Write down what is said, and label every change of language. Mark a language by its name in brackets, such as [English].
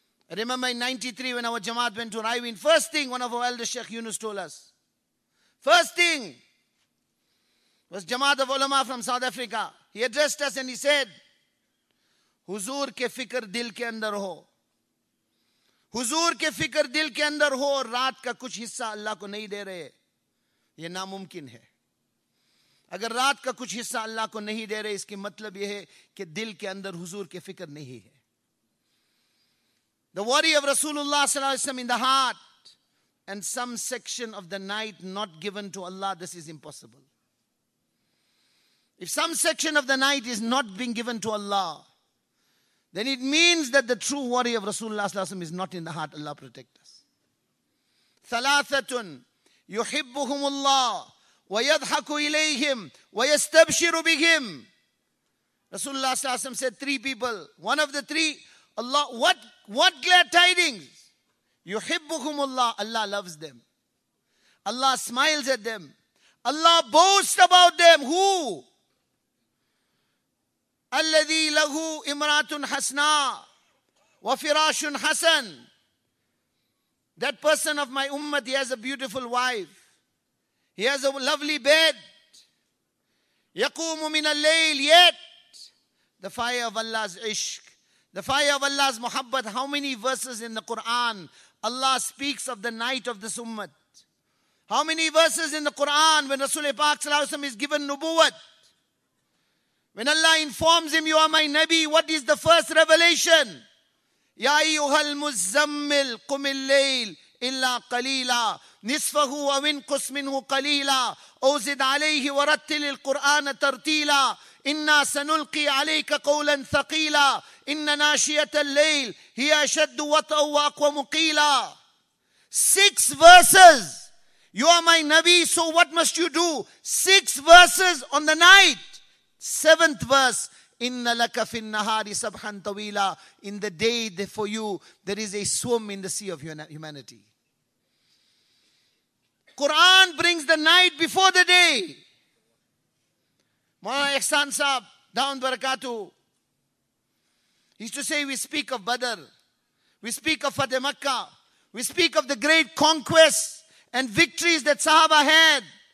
[English] I remember in 93 when our Jamaat went to Raiwin, first thing one of our elder Sheikh Yunus told us, first thing was Jamaat of Ulama from South Africa. He addressed us and he said, [Urdu] Huzur ke fikr dil ke andar ho. حضور کے فکر دل کے اندر ہو اور رات کا کچھ حصہ اللہ کو نہیں دے رہے, یہ ناممکن ہے. اگر رات کا کچھ حصہ اللہ کو نہیں دے رہے, اس کی مطلب یہ ہے کہ دل کے اندر حضور کے فکر نہیں ہے. [English] The worry of Rasulullah صلی اللہ علیہ وسلم in the heart and some section of the night not given to Allah, this is impossible. If some section of the night is not being given to Allah, then it means that the true worry of Rasulullah صلی اللہ علیہ وسلم is not in the heart. Allah protect us. [Arabic] ثَلَاثَةٌ يُحِبُّهُمُ اللَّهُ وَيَضْحَكُ إِلَيْهِمْ وَيَسْتَبْشِرُ بِهِمْ. [English] Rasulullah صلی اللہ علیہ وسلم said three people. One of the three, Allah, what glad tidings? [Arabic] يُحِبُّهُمُ اللَّهُ, [English] Allah loves them. Allah smiles at them. Allah boasts about them. Who? [Arabic] الذي له امرأة حسناء وفراش حسن. [English] That person of my ummah, he has a beautiful wife. He has a lovely bed. [Arabic] يقوم من الليل, [English] yet the fire of Allah's ishq, the fire of Allah's muhabbat. How many verses in the Quran Allah speaks of the night of this ummah? How many verses in the Quran when Rasulullah Pak sallallahu alaihi wasallam is given nubuwat? When Allah informs him, you are my Nabi, what is the first revelation? [Arabic] يَا أَيُّهَا الْمُزَّمِّلْ قُمِ اللَّيْلِ إِلَّا قَلِيلًا نِصْفَهُ وَوِنْ قُسْ مِنْهُ قَلِيلًا أَوْزِدْ عَلَيْهِ وَرَتِّلِ الْقُرْآنَ تَرْتِيلًا إِنَّا سَنُلْقِي عَلَيْكَ قَوْلًا ثَقِيلًا إِنَّ نَاشِيَةَ اللَّيْلِ هِيَ أَشَدُّ وَطْأً وَأَقْوَمُ قِيلًا. [English] Six verses. You are my Nabi, so what must you do? Six verses on the night. Seventh verse, [Arabic] إِنَّ لَكَ فِي النَّهَارِ سَبْحًا طَوِيلًا. [English] In the day for you, there is a swim in the sea of humanity. Quran brings the night before the day. Maulana Ihsan Sahab, Daun Barakatuh, used to say, we speak of Badr, we speak of Fateh Makkah, we speak of the great conquests and victories that Sahaba had.